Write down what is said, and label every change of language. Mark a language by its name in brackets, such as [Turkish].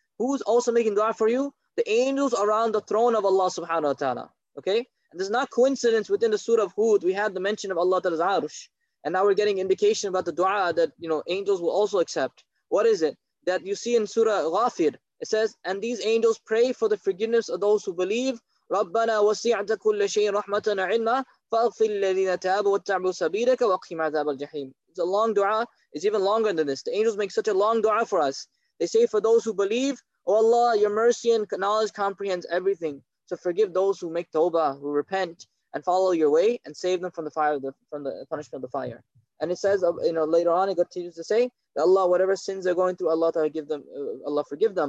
[English] Who's also making dua for you? The angels around the throne of Allah subhanahu wa ta'ala. Okay? And there's not coincidence within the surah of Hud, we had the mention of Allah Ta'ala's arsh. And now we're getting indication about the dua that, you know, angels will also accept. What is it? That you see in Surah Ghafir, it says, and these angels pray for the forgiveness of those who believe. [Arabic] رَبَّنَا وَسِعْتَ كُلَّ شَيْءٍ رَحْمَةً عِلْمًا فَأَغْفِرْ لَّذِينَ تَابُوا وَاتَّعْبُوا سَبِيلَكَ وَقِيمَ عَذَابَ الْجَحِيمِ [English] It's a long dua. It's even longer than this. The angels make such a long dua for us. They say, for those who believe, O Allah, your mercy and knowledge comprehends everything. So forgive those who make tawbah, who repent, and follow your way, and save them from the fire, from the punishment of the fire. And it says, you know, later on, it continues to say, that Allah, whatever sins they're going through, Allah Ta'ala give them, Allah forgive them.